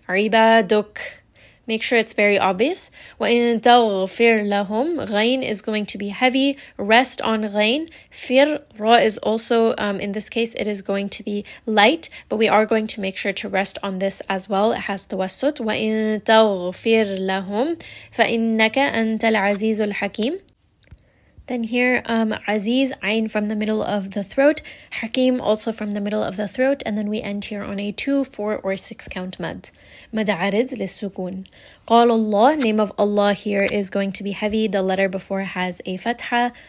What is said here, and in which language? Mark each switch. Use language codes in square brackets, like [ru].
[en] عبادك, make sure it's very obvious. [ar] وإن تغفر لهم, [en] غين is going to be heavy, rest on غين. فير, را is also, in this case, it is going to be light, but we are going to make sure to rest on this as well. It has توسط. [ar] وإن تغفر لهم فإنك أنت العزيز الحكيم. [en] Then here, عزيز, عين from the middle of the throat, حكيم also from the middle of the throat, and then we end here on a 2, 4, or 6 count مد. [ar] مد عرض للسكون. [en] قال الله, name of Allah here is going to be heavy. The letter before has a فتحة.